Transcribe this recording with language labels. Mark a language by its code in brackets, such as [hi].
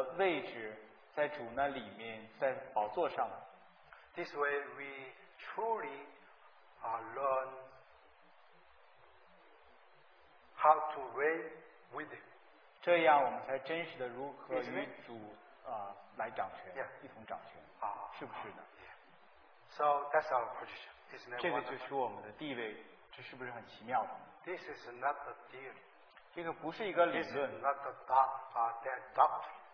[zh] 当你和我的位置在主那里面, 在宝座上, [en] this way we truly learn how to reign with Him. [zh] 这样我们才真实的如何与主 来掌权, [en] yeah. [zh] 一同掌权, 是不是呢? [en] So that's our position. Isn't it? [zh] 这个就是我们的地位, 这是不是很奇妙的? [en] This is not a theory. [zh] 这个不是一个理论, [en] this is not a doctrine.